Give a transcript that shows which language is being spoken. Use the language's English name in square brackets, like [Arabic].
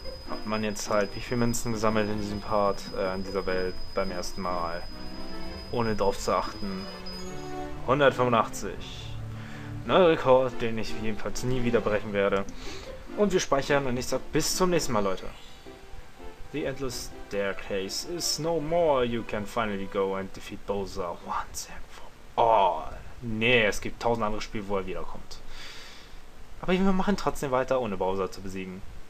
[German] Hat man jetzt halt wie viele Münzen gesammelt in diesem Part, in dieser Welt, beim ersten Mal. Ohne drauf zu achten. 185. Neuer Rekord, den ich jedenfalls nie wieder brechen werde. Und wir speichern und ich sag bis zum nächsten Mal, Leute. [English] The Endless Staircase is no more. You can finally go and defeat Bowser once and for all. [German] Nee, es gibt 1000 andere Spiele, wo er wiederkommt. Aber wir machen trotzdem weiter, ohne Bowser zu besiegen.